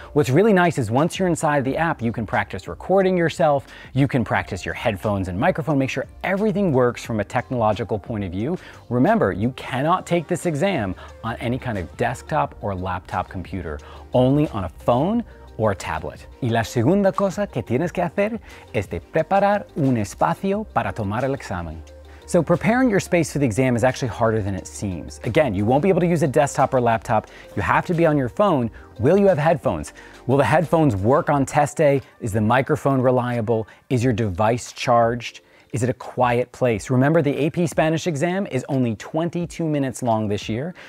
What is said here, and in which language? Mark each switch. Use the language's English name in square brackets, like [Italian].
[English] What's really nice is once you're inside the app, you can practice recording yourself, you can practice your headphones and microphone, make sure everything works from a technological point of view. Remember, you cannot take this exam on any kind of desktop or laptop computer, only on a phone or a tablet. [Spanish] Y la segunda cosa que tienes que hacer es de preparar un espacio para tomar el examen. [English] So preparing your space for the exam is actually harder than it seems. Again, you won't be able to use a desktop or laptop. You have to be on your phone. Will you have headphones? Will the headphones work on test day? Is the microphone reliable? Is your device charged? Is it a quiet place? Remember, the AP Spanish exam is only 22 minutes long this year.